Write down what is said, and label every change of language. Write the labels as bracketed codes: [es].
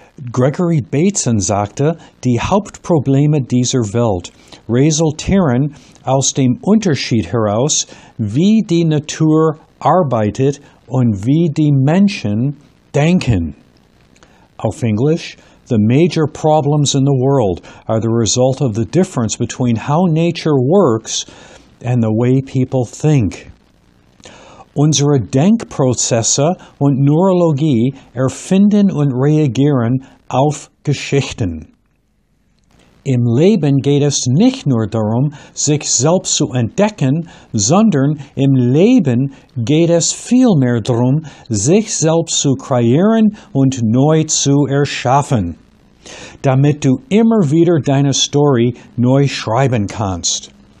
[de] Gregory Bateson sagte, die Hauptprobleme dieser Welt resultieren aus dem Unterschied heraus, wie die Natur arbeitet und wie die Menschen denken. Auf Englisch, [en] the major problems in the world are the result of the difference between how nature works and the way people think. [de] Unsere Denkprozesse und Neurologie erfinden und reagieren auf Geschichten. Im Leben geht es nicht nur darum, sich selbst zu entdecken, sondern im Leben geht es vielmehr darum, sich selbst zu kreieren und neu zu erschaffen, damit du immer wieder deine Story neu schreiben kannst.